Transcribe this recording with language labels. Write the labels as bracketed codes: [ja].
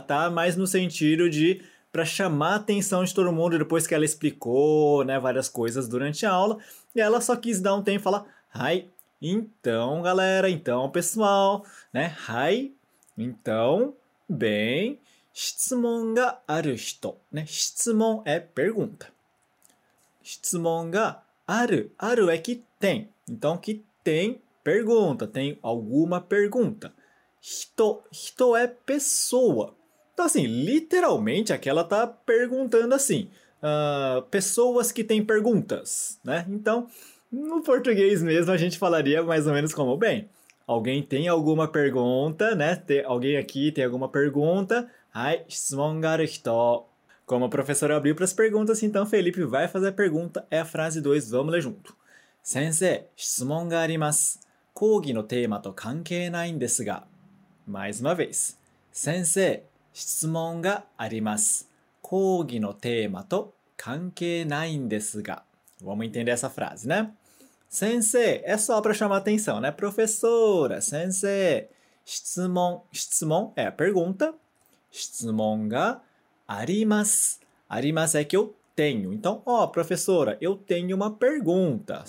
[pt] Tá mais no sentido de para chamar a atenção de todo mundo depois que ela explicou, né, várias coisas durante a aula, e ela só quis dar um tempo e falar: "Hai, então, galera, então, pessoal, né? Hai, então, bem, [ja] 質問がある人", [pt] né? 質問é pergunta. [ja] 質問がある、ある [pt] é que tem. Então, que tem pergunta, tem alguma pergunta. 人é pessoa. Então, assim, literalmente, aqui ela está perguntando assim, pessoas que têm perguntas, né? Então, no português mesmo, a gente falaria mais ou menos como, bem, alguém tem alguma pergunta, né? Alguém aqui tem alguma pergunta? [ja] Ai, 質問がある人. [pt] Como a professora abriu para as perguntas, então Felipe vai fazer a pergunta, é a frase 2, vamos ler junto. [ja] 先生、質問があります。講義のテーマと関係ないんですが。 [pt] Mais uma vez. [ja] 先生、質問があります。講義のテーマと関係ないんですが。 [pt] Vamos entender essa frase, né? 先生、é só para chamar atenção, né? Professora, [ja] 先生、質問、 [pt] é a pergunta. [ja] 質問があります。あります [pt] é que eu tenho. Então, ó, professora, eu tenho uma pergunta.